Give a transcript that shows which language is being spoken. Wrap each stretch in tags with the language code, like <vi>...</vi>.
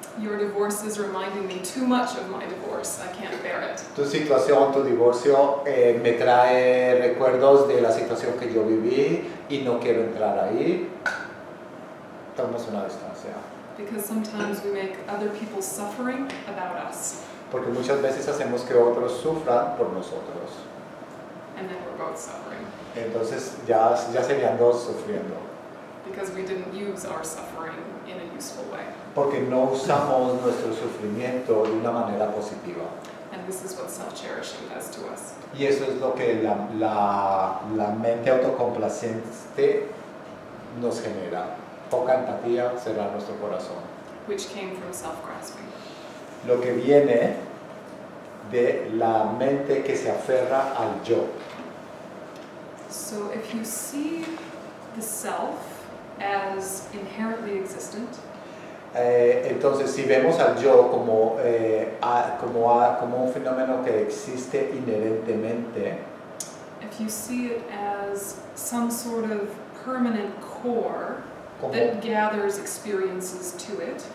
<en>Your divorce is reminding me too much of my divorce. I can't bear it.</en> <es>Tu situación, tu divorcio, me trae recuerdos de la situación que yo viví y no quiero entrar ahí. Tomamos una distancia.</es> <en>Because sometimes we make other people suffering about us.</en> <es>Porque muchas veces hacemos que otros sufran por nosotros.</es> <en>And then we're both suffering.</en> <es>Entonces ya serían dos sufriendo.</es> <en>Because we didn't use our suffering in a useful way.</en> <es>Porque no usamos nuestro sufrimiento de una manera positiva.</es> <en>And this is what self-cherishing does to us.</en> <es>Y eso es lo que la mente autocomplaciente nos genera. Poca empatía, cerrar nuestro corazón.</es> <en>Which came from self-grasping.</en> <es>Lo que viene de la mente que se aferra al yo.</es> <en>So if you see the self as inherently existent,</en> <es>entonces si vemos al yo como como un fenómeno que existe inherentemente,</es> <en>if you see it as some sort of permanent core that gathers experiences to it,</en>